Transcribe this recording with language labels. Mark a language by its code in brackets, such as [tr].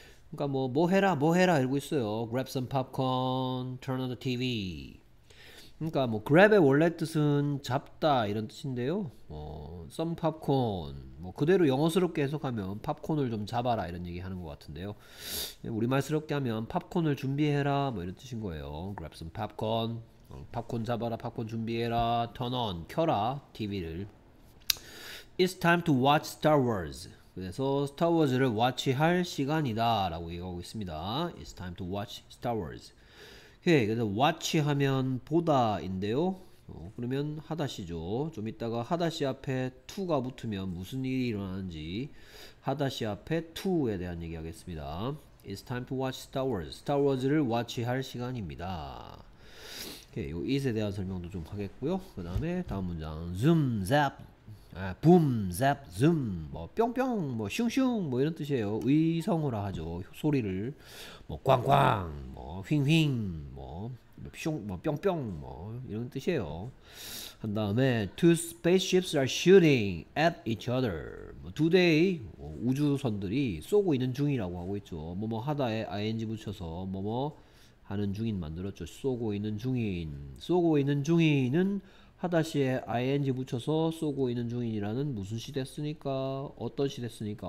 [ko] 그러니까 뭐 해라 이러고 있어요. [en] Grab some popcorn, turn on the TV. [ko] 그러니까 뭐 grab의 원래 뜻은 잡다 이런 뜻인데요. [en] Some popcorn. [ko] 뭐 그대로 영어스럽게 해석하면 팝콘을 좀 잡아라 이런 얘기 하는 것 같은데요. 우리말스럽게 하면 팝콘을 준비해라 뭐 이런 뜻인 거예요. [en] Grab some popcorn. [ko] 팝콘 잡아라, 팝콘 준비해라. [en] Turn on, [ko] 켜라 TV를. [en] It's time to watch Star Wars. [ko] 그래서 Star Wars를 watch할 시간이다 라고 얘기하고 있습니다. [en] It's time to watch Star Wars. [ko] 오케이, 그래서 watch 하면 보다인데요. 그러면 하다시죠. 좀 이따가 하다시 앞에 to가 붙으면 무슨 일이 일어나는지 하다시 앞에 to에 대한 얘기하겠습니다. [en] It's time to watch Star Wars. [ko] Star Wars를 watch할 시간입니다. 오케이, 요 it에 대한 설명도 좀 하겠고요. 그 다음에 다음 문장 zoom, zap. 아, 붐, 잡, 줌, 뭐 뿅뿅, 뭐 슝슝, 뭐 이런 뜻이에요. 의성어라 하죠. 소리를 뭐 꽝꽝, 뭐 휑휑, 뭐슝뭐 뿅뿅, 뭐 이런 뜻이에요. 한 다음에 [en] two spaceships are shooting at each other. [ko] 뭐, 두 대의 우주선들이 쏘고 있는 중이라고 하고 있죠. 뭐뭐 하다에 ing 붙여서 뭐뭐 하는 중인 만들었죠. 쏘고 있는 중인은 하다시에 ing 붙여서 쏘고 있는 중인이라는 무슨 시 됐습니까? 어떤 시 됐습니까?